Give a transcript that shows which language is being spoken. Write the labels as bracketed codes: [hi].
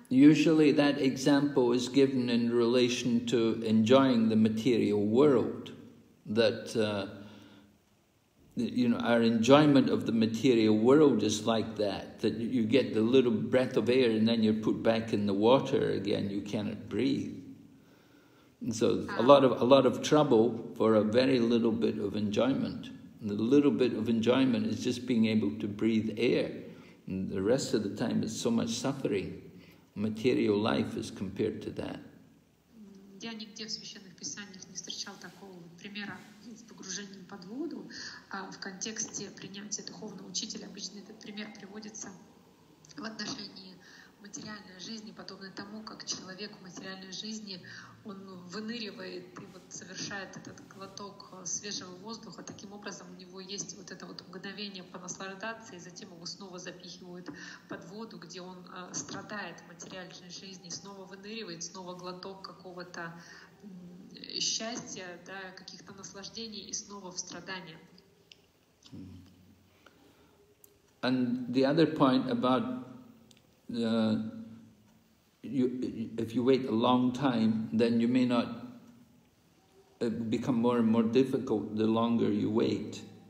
[en] Usually that example is given in relation to enjoying the material world, that, you know, our enjoyment of the material world is like that, that you get the little breath of air and then you're put back in the water again, you cannot breathe. And so a lot of trouble for a very little bit of enjoyment. And the little bit of enjoyment is just being able to breathe air. And the rest of the time is so much suffering. Material life is compared to that. [ru] Я нигде в священных писаниях не встречал такого примера с погружением под воду. В контексте принятия духовного учителя обычно этот пример приводится в отношении материальной жизни, подобно тому, как человек в материальной жизни, он выныривает и вот совершает этот глоток свежего воздуха. Таким образом, у него есть вот это вот мгновение понаслаждаться, и затем его снова запихивают под воду, где он страдает в материальной жизни, снова выныривает, снова глоток какого-то счастья, да, каких-то наслаждений, и снова в страдания. [en] And the other point about if you wait a long time, then you may not become more and more difficult the longer you wait.